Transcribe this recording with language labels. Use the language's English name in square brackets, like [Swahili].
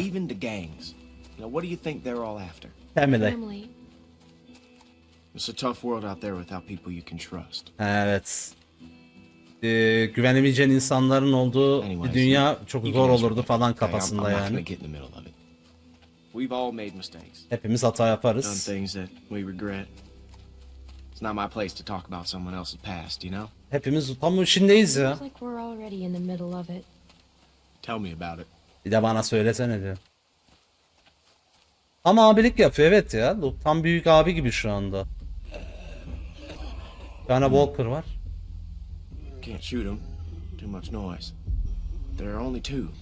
[English] Now, what do you think they're all after? Family. It's a tough world out there without people you can trust. [Turkish] Evet. Güvenemeyeceğin insanların olduğu bir dünya çok zor olurdu falan kafasında yani. [English] We've all made mistakes. [Turkish] Hepimiz hata yaparız. [English] Done things that we regret. It's not my place to talk about someone else's past, you know? [Turkish] Hepimiz tam içindeyiz ya. [English] Like we're already in the middle of it. Tell me about it. [Turkish] Bir de bana söylesene diyor. Ama abilik yapıyor, evet ya. Luke tam büyük abi gibi şu anda. Bir tane Walker var. [English] Can't shoot him. Too much noise. There are only two.